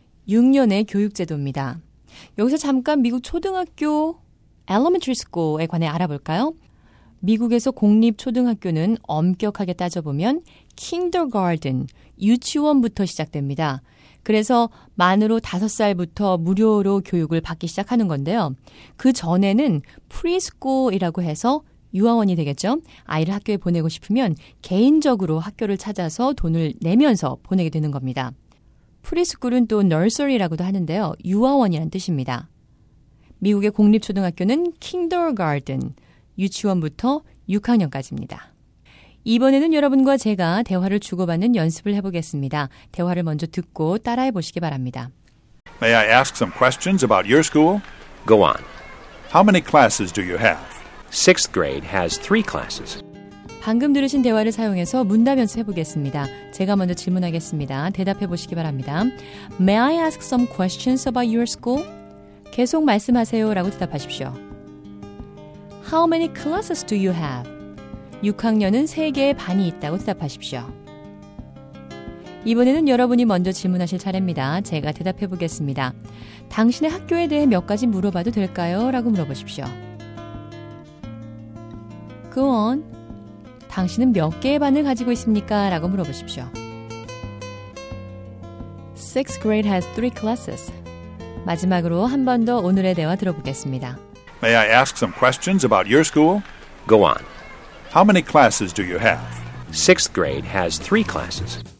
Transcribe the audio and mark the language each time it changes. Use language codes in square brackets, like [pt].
[ko] 6년의 교육제도입니다. 여기서 잠깐 미국 초등학교 elementary school에 관해 알아볼까요? 미국에서 공립 초등학교는 엄격하게 따져보면 kindergarten, 유치원부터 시작됩니다. 그래서 만으로 5살부터 무료로 교육을 받기 시작하는 건데요. 그 전에는 preschool이라고 해서 유아원이 되겠죠? 아이를 학교에 보내고 싶으면 개인적으로 학교를 찾아서 돈을 내면서 보내게 되는 겁니다. 프리스쿨은 또 nursery라고도 하는데요. 유아원이란 뜻입니다. 미국의 공립초등학교는 kindergarten, 유치원부터 6학년까지입니다. 이번에는 여러분과 제가 대화를 주고받는 연습을 해보겠습니다. 대화를 먼저 듣고 따라해보시기 바랍니다. [en] May I ask some questions about your school? Go on. How many classes do you have? Sixth grade has three classes. [ko] 방금 들으신 대화를 사용해서 문답연습 해보겠습니다. 제가 먼저 질문하겠습니다. 대답해 보시기 바랍니다. [en] May I ask some questions about your school? [ko] 계속 말씀하세요 라고 대답하십시오. [en] How many classes do you have? [ko] 6학년은 3개의 반이 있다고 대답하십시오. 이번에는 여러분이 먼저 질문하실 차례입니다. 제가 대답해 보겠습니다. 당신의 학교에 대해 몇 가지 물어봐도 될까요? 라고 물어보십시오. [en] Go on. [ko] 당신은 몇 개의 반을 가지고 있습니까? 라고 물어보십시오. [en] Sixth grade has three classes. [ko] 마지막으로 한 번 더 오늘의 대화 들어보겠습니다. [en] May I ask some questions about your school? Go on. How many classes do you have? Sixth grade has three classes.